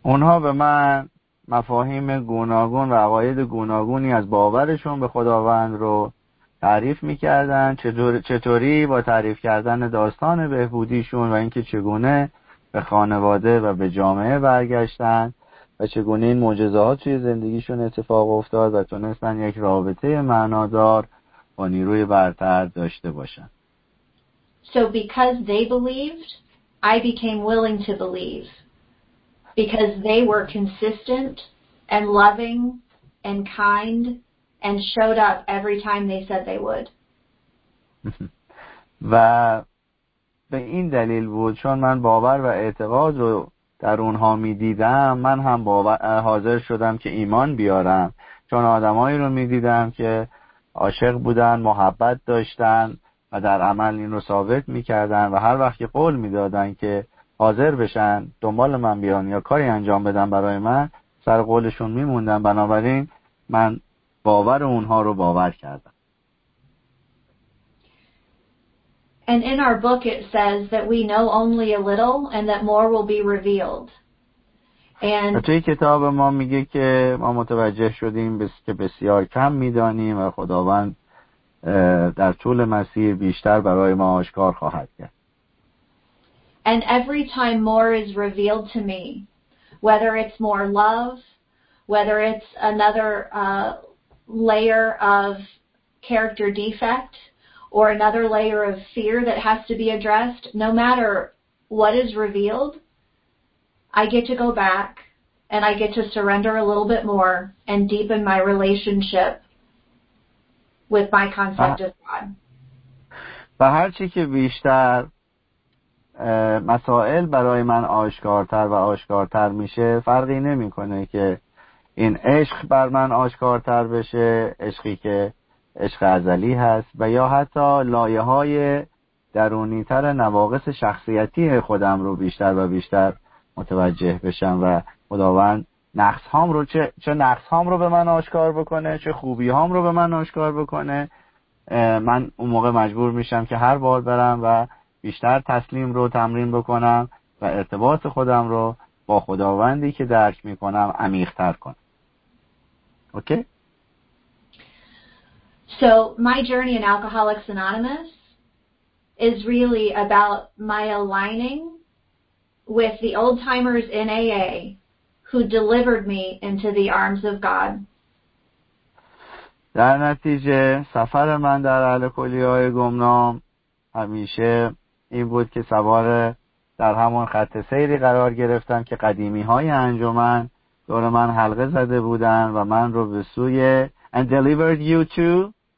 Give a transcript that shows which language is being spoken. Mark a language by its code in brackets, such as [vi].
[fa] اونها به من مفاهیم گوناگون و عقاید گوناگونی از باورشون به خداوند رو تعریف می‌کردن، چطوری با تعریف کردن داستان بهبودیشون و اینکه چگونه به خانواده و به جامعه برگشتن و چگونه این معجزات توی زندگیشون اتفاق افتاد و تونستن یک رابطه معنادار با نیروی برتر داشته باشن. [en] So because they believed, I became willing to believe because they were consistent and loving and kind and showed up every time they said they would. [fa] و به این دلیل بود چون من باور و اعتقاد رو در اونها می دیدم، من هم حاضر شدم که ایمان بیارم، چون آدمایی رو می دیدم که عاشق بودن، محبت داشتن و در عمل این رو ثابت می‌کردن و هر وقت که قول می‌دادن که حاضر بشن دنبال من بیان یا کاری انجام بدن برای من سر قولشون می‌موندن. بنابراین من باور اونها رو باور کردم. [en] And in our book it says that we know only a little and that more will be revealed. [fa] And توی کتاب ما میگه که ما متوجه شدیم که بسیار کم می‌دانیم و خداوند در طول مسیر بیشتر برای ما آشکار خواهد کرد. [en] And every time more is revealed to me, whether it's more love, whether it's another layer of character defect or another layer of fear that has to be addressed, no matter what is revealed, I get to go back and I get to surrender a little bit more and deepen my relationship with my concept of God. [fa] و هرچی که بیشتر مسائل برای من آشکارتر و آشکارتر میشه، فرقی نمیکنه که این عشق بر من آشکارتر بشه، عشقی که عشق ازلی هست و یا حتی لایه‌های درونی‌تر نواقص شخصیتی خودم رو بیشتر و بیشتر متوجه بشم و خداوند نقص هام رو به من آشکار بکنه، چه خوبی هام رو به من آشکار بکنه، من اون موقع مجبور میشم که هر بار برم و بیشتر تسلیم رو تمرین بکنم و ارتباط خودم رو با خداوندی که درک میکنم عمیق‌تر کنم. اوکی؟ [en] So my journey in Alcoholics Anonymous is really about my aligning with the old timers in AA who delivered me into the arms of God. [fa] در نتیجه سفر من در الکلی‌های گمنام همیشه این بود که سوار در همون خط سیری قرار گرفتم که قدیمی های انجمن دور من حلقه زده بودن و من رو به سوی [en] and delivered you to